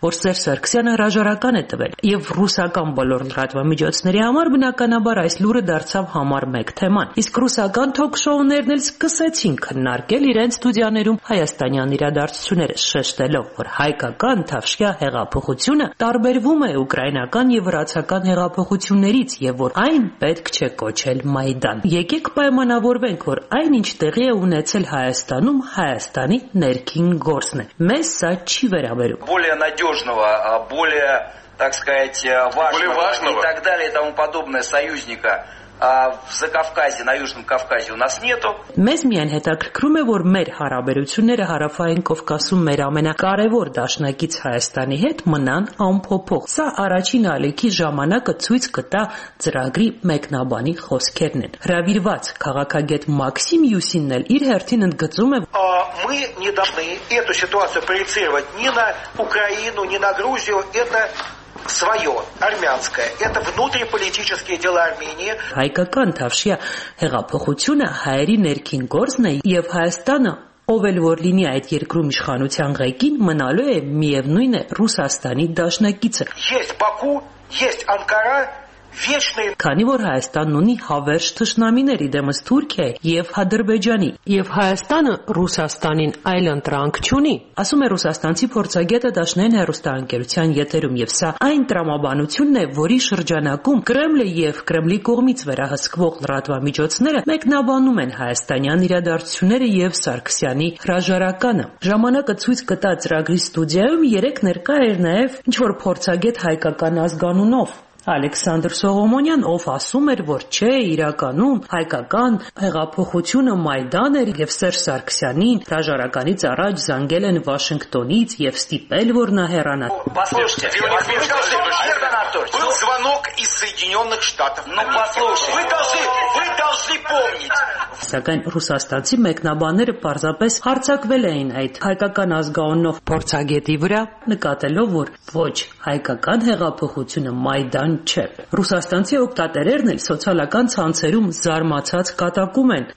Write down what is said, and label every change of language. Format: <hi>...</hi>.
<hy>որ Սերժ Սարգսյանը հրաժարական է տվել, և ռուսական բոլոր լրատվամիջոցների համար բնականաբար այս լուրը դարձավ համար մեկ թեման։ Իսկ ռուսական թոքշոուներն էլ սկսեցին քննարկել իրենց ստուդիաներում հայաստանյան իրադարձությունները, շեշտելով, որ հայկական թավշյա հեղափոխությունը տարբերվում է ուկրաինական և վրացական հեղափոխություններից, և որ այն պետք չէ կոչել Մայդան։ Եկեք պայմանավորվենք, որ այն, ինչ տեղի է ունեցել Հայաստանում, Հայաստանի ներքին գործն է։ Մեզ սա չի վերաբերում։</hy> <ru>Так сказать, важного и так далее и тому подобное союзника. В Закавказье, на Южном Кавказе у нас нету.</ru> <hy>Մեզ միայն հետաքրքրում է, որ մեր հարաբերությունները հարավային Կովկասում մեր ամենակարևոր դաշնակից Հայաստանի հետ մնան անփոփոխ։ Սա առաջին ալիքի ժամանակը ցույց կտա, ծրագրի մեկնաբանի խոսքերն են։ Հրավիրված քաղաքագետ Մաքսիմ Յուսինն էլ իր հերթին ընդգծում է.</hy> <ru>Мы не должны эту ситуацию проецировать ни на Украину, ни на Грузию, это свое, армянское. Это внутриполитические дела Армении.</ru> <hy>Հայկական թավշյա հեղափոխությունը հայերի ներքին գործն է, և Հայաստանը, ով էլ որ լինի այդ երկրում իշխանության ղեկին, մնալու է միևնույն է Ռուսաստանի դաշնակիցը.</hy> <ru>Есть Баку, есть Անկարա.</ru> <hy>Քանի որ Հայաստանն ունի հավերժ թշնամիներ դեմս Թուրքիայի և Ադրբեջանի, և Հայաստանը Ռուսաստանին այլ ընտրանք չունի, ասում է ռուսաստանցի փորձագետը դաշնային հեռուստաընկերության եթերում, և սա այն տրամաբանությունն է, որի շրջանակում Կրեմլը և Կրեմլի կողմից վերահսկվող լրատվամիջոցները մեկնաբանում են հայաստանյան իրադարձությունները և Սարգսյանի հրաժարականը։ Ժամանակը ցույց կտա, ծրագրի ստուդիայում երեկ ներկա էր նաև ինչ-որ փորձագետ հայկական ազգանունով, Ալեքսանդր Սողոմոնյան, ով ասում էր, որ չէ, իրականում հայկական հեղափոխությունը Մայդան էր, և Սերժ Սարգսյանին հրաժարականից առաջ զանգել են Վաշինգտոնից և ստիպել, որ նա հեռանա։</hy> <ru>Был звонок из Соединенных Штатов. Ну, послушайте, вы должны помнить.</ru> <hy>Սակայն ռուսաստանցի մեկնաբանները պարզապես հարցակվել էին այդ հայկական ազգաոնով փորձագետի վրա, նկատելով, որ ոչ, հայկական հեղափոխությունը Մայդան չէ։ Ռուսաստանցի օգտատերերն էլ սոցիալական ցանցերում զարմացած կատակում են.</hy>